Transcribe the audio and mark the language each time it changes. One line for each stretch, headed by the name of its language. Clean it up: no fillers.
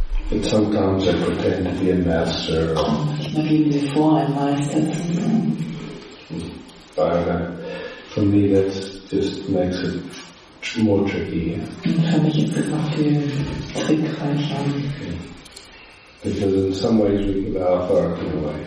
English: But sometimes I pretend to be a master.
German: Manchmal geben sie vor, ein Meister zu sein.
English: But for me that just makes it more tricky.
German: Und für mich ist es noch viel trickreicher.
English: Because in some ways we give our authority away.